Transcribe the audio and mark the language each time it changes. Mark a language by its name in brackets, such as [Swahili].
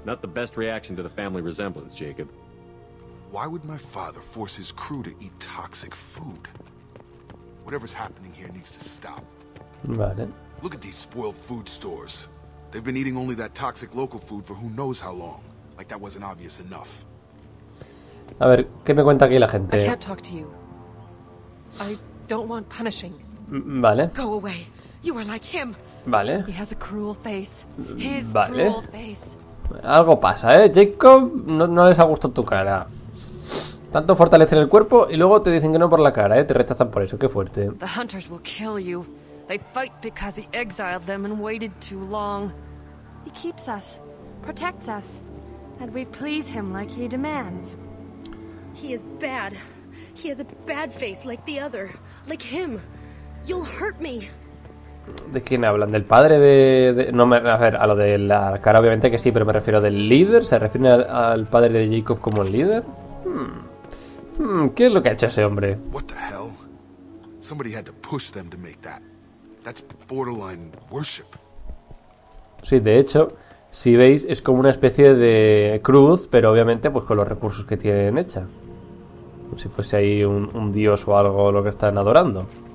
[English] Not the best reaction to the family resemblance, Jacob. Why would my father force his crew to eat toxic food? Whatever's happening here needs to stop. [Spanish] Vale. [English] Look at these spoiled food stores. They've been eating only that toxic local food for who knows how long. Like that wasn't obvious enough. [Spanish] A ver, ¿qué me cuenta aquí la gente? [English] I can't talk to you. I don't want punishing. [Spanish] Vale. [English] Go away. You are like him. [Spanish] Vale. [English] He has a cruel face. His vale. Cruel face. [Spanish] Algo pasa, ¿eh? Jacob, no les ha gustado tu cara. Tanto fortalecer el cuerpo y luego te dicen que no por la cara, ¿eh? Te rechazan por eso, qué fuerte. [English] The hunters will kill you. They fight because he exiled them and waited too long. He keeps us, protects us, and we please him like he demands. He is bad. He has a bad face like the other, like him. You'll hurt me. [Spanish] ¿De quién hablan? ¿Del padre de no me, a ver, a lo de la cara obviamente que sí, pero me refiero del líder? ¿Se refiere al padre de Jacob como el líder? ¿Qué es lo que ha hecho ese hombre? [English] What the hell? Somebody had to push them to make that. That's borderline worship. [Spanish] Sí, de hecho, si veis, es como una especie de cruz, pero obviamente pues con los recursos que tienen hecha. Como si fuese ahí un dios o algo lo que están adorando.